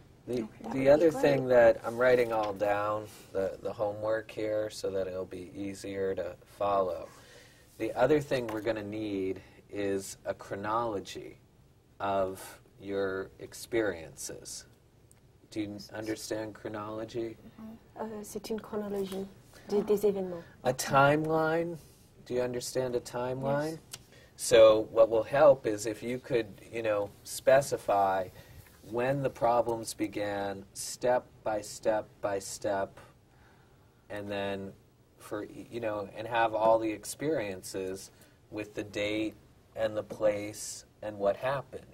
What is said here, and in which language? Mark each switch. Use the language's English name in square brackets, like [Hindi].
[English] The other thing that I'm writing all down, the homework here, so that it'll be easier to follow. The other thing we're going to need is a chronology of your experiences. Do you understand chronology? [French] C'est une chronologie des événements. [English] A timeline? Do you understand a timeline? Yes. So what will help is if you could, specify when the problems began, step by step by step, and then and have all the experiences with the date and the place and what happened.